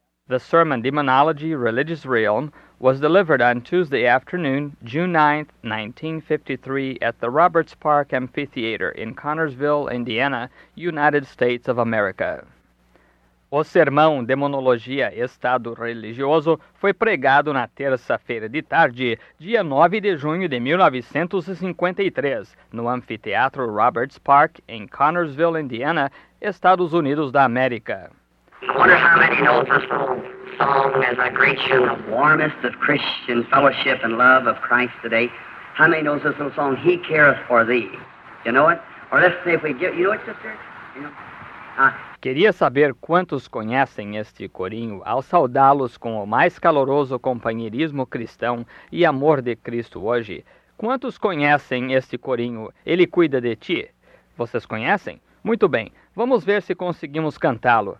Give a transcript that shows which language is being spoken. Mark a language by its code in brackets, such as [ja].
[en] The sermon, Demonology, Religious Realm, was delivered on Tuesday afternoon, June 9, 1953, at the Roberts Park Amphitheater in Connersville, Indiana, United States of America. [pt] O sermão Demonologia, Estado Religioso, foi pregado na terça-feira de tarde, dia 9 de junho de 1953, no Anfiteatro Roberts Park, em Connersville, Indiana, Estados Unidos da América. [en] I wonder how many know this little song as I greet you. The warmest of Christian fellowship and love of Christ today. How many knows this little song, He Careth for Thee? You know it? Or let's say if we give, you know it, sister? [pt] Queria saber quantos conhecem este corinho ao saudá-los com o mais caloroso companheirismo cristão e amor de Cristo hoje. Quantos conhecem este corinho? Ele cuida de ti. Vocês conhecem? Muito bem, vamos ver se conseguimos cantá-lo.